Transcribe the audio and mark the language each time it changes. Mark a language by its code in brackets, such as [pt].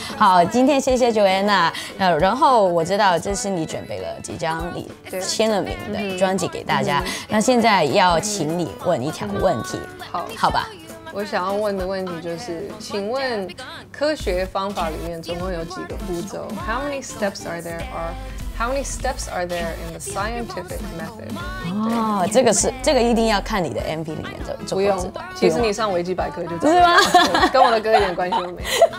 [zh] 好，今天谢谢 Joanna。然后我知道这是你准备了几张你签了名的专辑给大家、那现在要请你问一条问题、好吧。我想要问的问题就是，请问科学方法里面总共有几个步骤？ [en] How many steps are there are How many steps are there in the scientific method？ [zh] 哦，这个是这个一定要看你的 MV 里面的，不用，其实你上维基百科就知道，是吗？跟我的歌一点关系都没有。